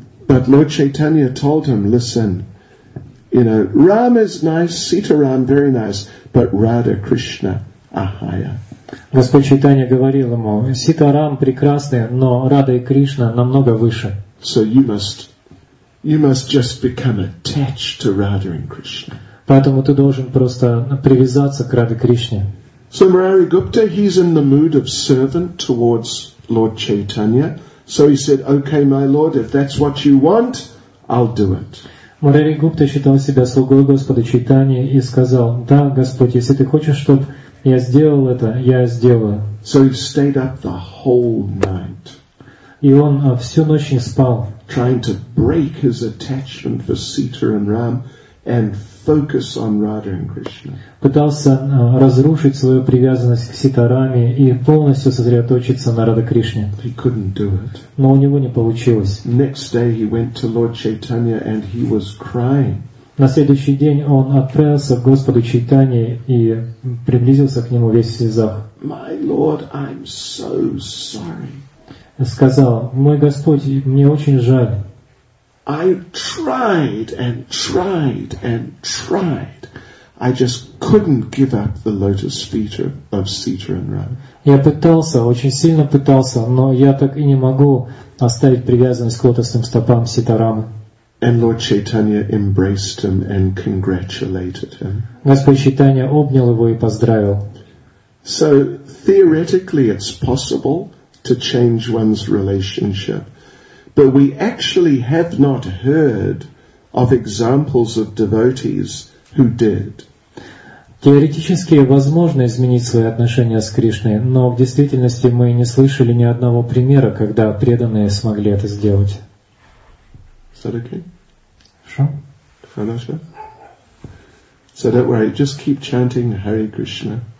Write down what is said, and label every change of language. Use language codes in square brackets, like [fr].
[en] But Lord Chaitanya told him, listen, you know, Ram is nice, Sita Ram very nice, but Radha Krishna are higher. [ru] Господь Чайтанья говорил ему, Сита Рам прекрасный, но Радха и Кришна намного выше. [en] So you must just become attached to Radha and Krishna. [ru] Поэтому ты должен просто привязаться к Радхе Кришне. [en] So Murari Gupta, he's in the mood of servant towards Lord Chaitanya. So he said, okay, my lord, if that's what you want, I'll do it. [ru] Murari Gupta считал себя слугой Господа Чайтаньи и сказал, да, Господь, если ты хочешь, чтобы я сделал это, я сделаю. [en] So he stayed up the whole night. [ru] И он всю ночь не спал. [en] Trying to break his attachment for Sita and Ram and focus on Radha and Krishna. [ru] Пытался разрушить свою привязанность к Ситараме и полностью сосредоточиться на Радха Кришне. [en] He couldn't do it. [ru] Но у него не получилось. [en] Next day he went to Lord Chaitanya and he was crying. [ru] На следующий день он отправился к Господу Чайтанье и приблизился к нему весь в слезах. [en] My Lord, I'm so sorry. [ru] Сказал: «Мой Господь, мне очень жаль». [en] I tried and tried and tried. I just couldn't give up the lotus feet of Sita and Radha. [ru] Я пытался, очень сильно пытался, но я так и не могу оставить привязанность к лотосным стопам Ситарамы. [en] And Lord Chaitanya embraced him and congratulated him. [ru] Господь Чайтанья обнял его и поздравил. [en] So theoretically it's possible to change one's relationship. But we actually have not heard of examples of devotees who did. [ru] Теоретически возможно изменить свои отношения с Кришной, но в действительности мы не слышали ни одного примера, когда преданные смогли это сделать. [en] Is that okay? Sure. [ru] Хорошо. [en] So don't worry, just keep chanting Hare Krishna.